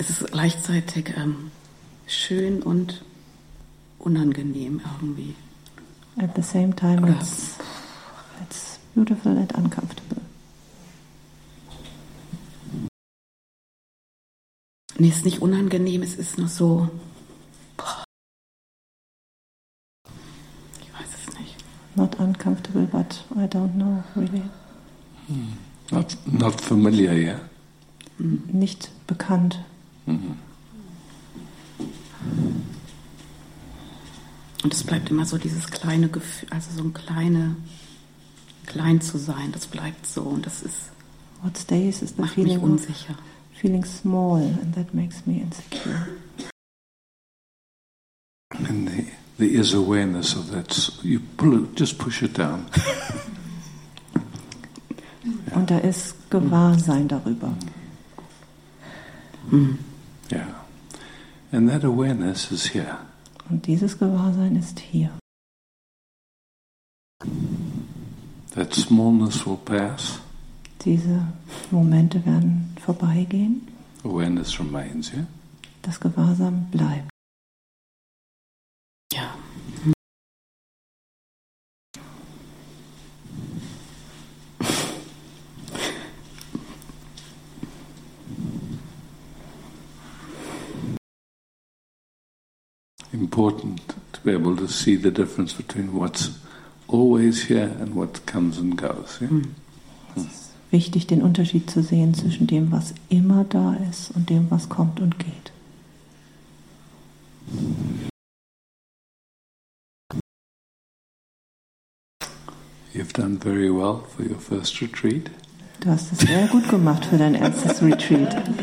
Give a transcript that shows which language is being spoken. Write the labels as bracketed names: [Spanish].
[German] Gleichzeitig schön und unangenehm irgendwie. [English] At the same time, it's beautiful and uncomfortable. [German] Nee, es ist nicht unangenehm, es ist nur so... Ich weiß es nicht. [English] Not uncomfortable, but I don't know, really. Not familiar, yeah? [German] Nicht bekannt. Mm-hmm. Und es bleibt immer so dieses kleine Gefühl, also so ein kleine, klein zu sein, das bleibt so und das ist, [English] what stays is the [German] macht mich unsicher. [English] Feeling small and that makes me insecure. And the is awareness of that, you pull it, just push it down. [German] Und da ist Gewahrsein darüber. Ja. [English] Yeah. And that awareness is here. [German] Und dieses Gewahrsein ist hier. [English] That smallness will pass. [German] Diese Momente werden vorbeigehen. [English] Awareness remains, yeah? [German] Das Gewahrsein bleibt. Ja. [English] Important to be able to see the difference between what's always here and what comes and goes. Yeah? [German] Wichtig, den Unterschied zu sehen zwischen dem, was immer da ist, und dem, was kommt und geht. [English] You've done very well for your first retreat. [German] Du hast es sehr gut gemacht für dein erstes Retreat.